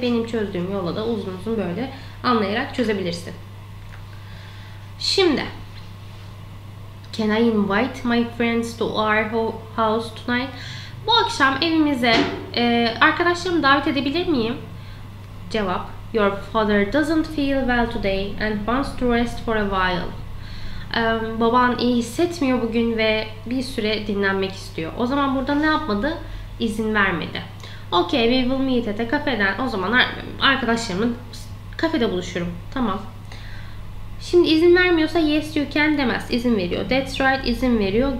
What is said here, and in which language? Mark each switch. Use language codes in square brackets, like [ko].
[tr] Benim çözdüğüm yola da uzun uzun böyle anlayarak çözebilirsin. [en] Şimdi can I invite my friends to our house tonight? [tr] Bu akşam evimize arkadaşlarımı davet edebilir miyim? [en] Cevap: Your father doesn't feel well today and wants to rest for a while. [tr] Baban iyi hissetmiyor bugün ve bir süre dinlenmek istiyor. O zaman burada ne yapmadı? İzin vermedi. [en] Okay, we will meet at a cafe'den. [tr] O zaman arkadaşlarımın kafede buluşurum. Tamam. Şimdi izin vermiyorsa [en] yes you can [tr] demez. İzin veriyor. [en] That's right, [tr] izin veriyor.